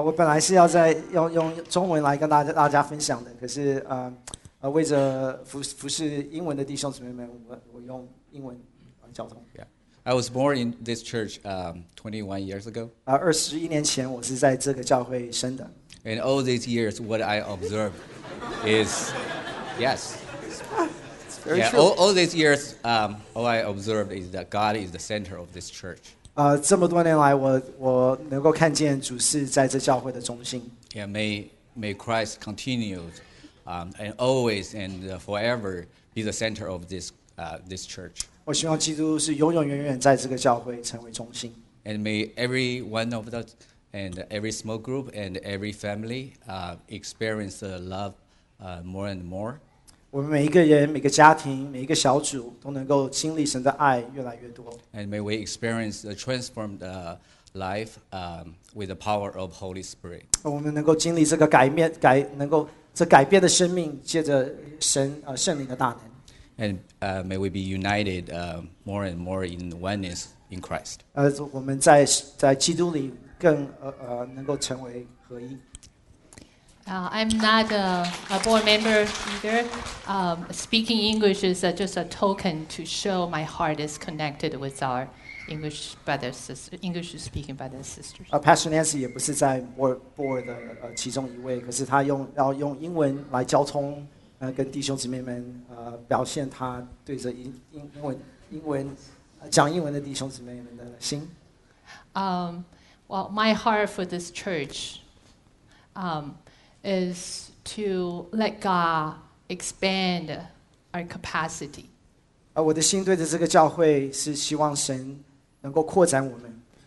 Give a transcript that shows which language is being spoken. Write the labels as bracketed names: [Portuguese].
[Chinese] 我本来是要在 用中文来跟大家分享的，可是为着服侍英文的弟兄姊妹们，我用英文来交通。 [English] Yeah. I was born in this church 21 years ago. [Chinese] 21年前我是在这个教会生的。 [English] And all these years, what I observed is, yes. All these years, all I observed is that God is the center of this church. [Chinese] 这么多年来，我能够看见主是在这教会的中心。 [English] Yeah, may Christ continue, and always and forever be the center of this church. [Chinese] 我希望基督是永永远远在这个教会成为中心。 [English] And may every one of the and every small group and every family experience the love more and more. [Chinese] 我们每一个人、每个家庭、每一个小组都能够经历神的爱越来越多。 [English] And may we experience the transformed life with the power of Holy Spirit. [Chinese] 我们能够经历这个改变的生命，借着神圣灵的大能。 [English] And may we be united more and more in oneness in Christ. [Chinese] 我们在基督里。更能够成为合一。 [English] I'm not a board member either. Speaking English is just a token to show my heart is connected with our English brothers, English speaking brothers and sisters. [Chinese] Pastor Nancy 也不是在 board 的其中一位，可是他要用英文来交通，跟弟兄姊妹们表现他对着英文讲英文的弟兄姊妹们的心。 [English] Well, my heart for this church is to let God expand our capacity. [Chinese] 我的心对着这个教会是希望神能够扩展我们。